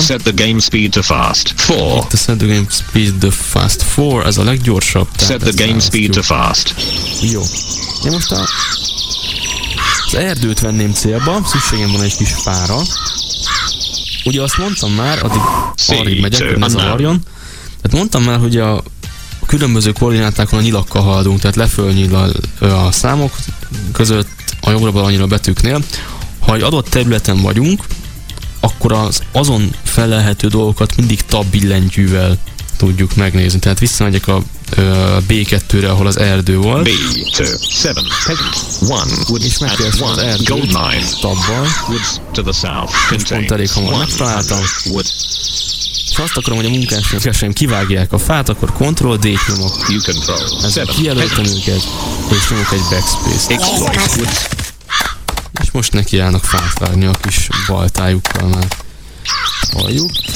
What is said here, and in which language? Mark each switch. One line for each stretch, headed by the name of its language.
English: Set the game speed to fast. 4.
Hungarian: Itt a
English: set the game speed to fast.
Hungarian: 4. Ez a leggyorsabb.
English: Set the game speed to fast.
Hungarian: Jó. Én most az erdőt venném célba, szükségem van egy kis fára. Ugye azt mondtam már, addig arrébb megyek, hogy nem zavarjon. Tehát mondtam már, hogy a különböző koordinátákon a nyilakkal haladunk, tehát lefölnyíl a számok között, a jobbra balanyira a betűknél. Ha egy adott területen vagyunk, akkor az azon felelhető dolgokat mindig tab billentyűvel tudjuk megnézni. Tehát visszamegyek a B2-re, ahol az erdő volt.
English: B2, 7, peasant, 1, woods, at 1, gold mine, woods to the south, contained,
Hungarian: ha azt akarom, hogy a munkásaim kivágják a fát, akkor Ctrl-D nyomok. Ezzel kijelöltem őket, és nyomok egy backspace. És most nekiállnak fát vágni a kis baltájukkal már. Halljuk.